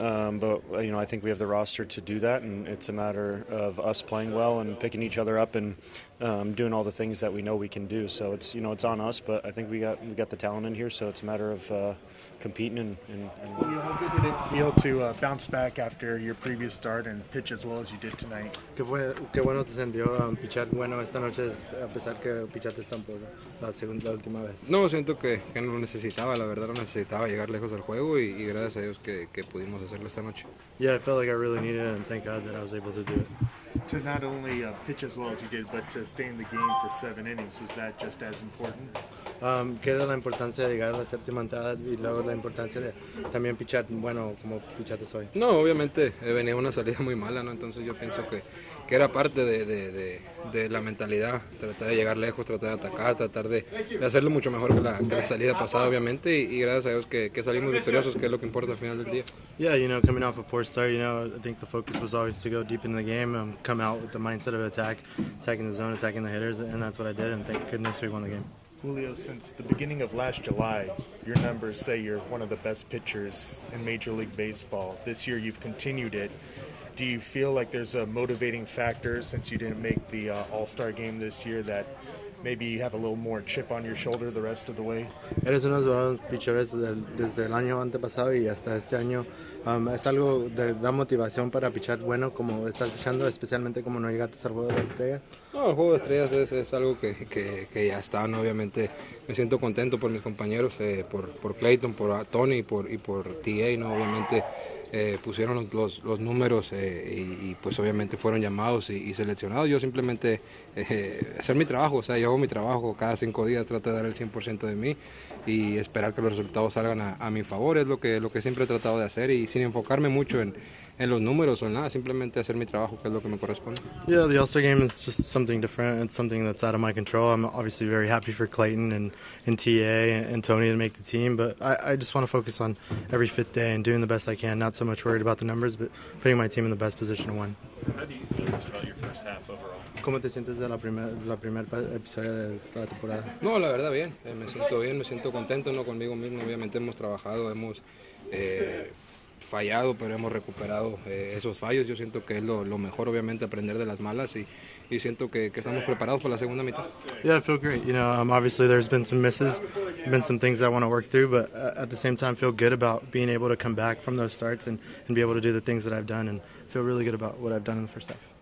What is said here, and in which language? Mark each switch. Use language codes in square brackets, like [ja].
[en] But, you know, I think we have the roster to do that, and it's a matter of us playing well and picking each other up and doing all the things that we know we can do. So it's, you know, it's on us, but I think we got the talent in here, so it's a matter of competing. And how good did it feel to bounce back after your previous start and pitch as well as you did tonight? [es] Qué bueno te sentió pichar bueno esta noche, a pesar que pichaste tan por la segunda, la última vez. No, siento que no lo necesitaba, la verdad, lo necesitaba llegar lejos del juego, y gracias a Dios que pudimos hacerlo esta noche. [en] Yeah, I felt like I really needed it, and thank God that I was able to do it. To not only pitch as well as you did, but to stay in the game for seven innings, was that just as important? [es] ¿Qué era la importancia de llegar a la séptima entrada y luego la importancia de también pichar bueno como pichaste hoy? No, obviamente venía una salida muy mala, ¿no? Entonces yo pienso que era parte de la mentalidad, tratar de llegar lejos, tratar de atacar, tratar de hacerlo mucho mejor que la salida pasada, obviamente, y gracias a Dios que salimos victoriosos, que es lo que importa al final del día. [en] Yeah, you know, coming off a poor start, you know, I think the focus was always to go deep in the game and come out with the mindset of attack, attacking the zone, attacking the hitters, and that's what I did, and thank goodness we won the game. Julio, since the beginning of last July, your numbers say you're one of the best pitchers in Major League Baseball. This year you've continued it. Do you feel like there's a motivating factor, since you didn't make the All-Star game this year, that maybe you have a little more chip on your shoulder the rest of the way? [es] Eres uno de los pitchers desde el año antepasado y hasta este año. Es algo que da motivación para pichar bueno como estás pichando, especialmente como no llegaste al Juego de Estrellas. No, el Juego de Estrellas es algo que ya está, ¿no? Obviamente me siento contento por mis compañeros, por Clayton, por Tony y por TA, ¿no? Obviamente pusieron los números y pues obviamente fueron llamados y seleccionados. Yo simplemente hacer mi trabajo, o sea, yo hago mi trabajo cada cinco días, trato de dar el 100% de mí y esperar que los resultados salgan a mi favor. Es lo que siempre he tratado de hacer, y sin enfocarme mucho en los números o nada, simplemente hacer mi trabajo, que es lo que me corresponde. [en] Yeah, the All-Star game is just something different. It's something that's out of my control. I'm obviously very happy for Clayton and TA and Tony to make the team, but I just want to focus on every fifth day and doing the best I can. Not so much worried about the numbers, but putting my team in the best position to win. How do you feel about your first half overall? [es] ¿Cómo te sientes de la primer episodio de esta temporada? No, la verdad, bien. Me siento bien, me siento contento, ¿no? Conmigo mismo. Obviamente hemos trabajado, hemos fallado, pero hemos recuperado esos fallos. Yo siento que es lo mejor, obviamente, aprender de las malas y siento que estamos preparados para la segunda mitad. [en] Yeah, I feel great. You know, obviously there's been some misses, been some things I want to work through, but at the same time feel good about being able to come back from those starts and be able to do the things that I've done, and feel really good about what I've done in the first half.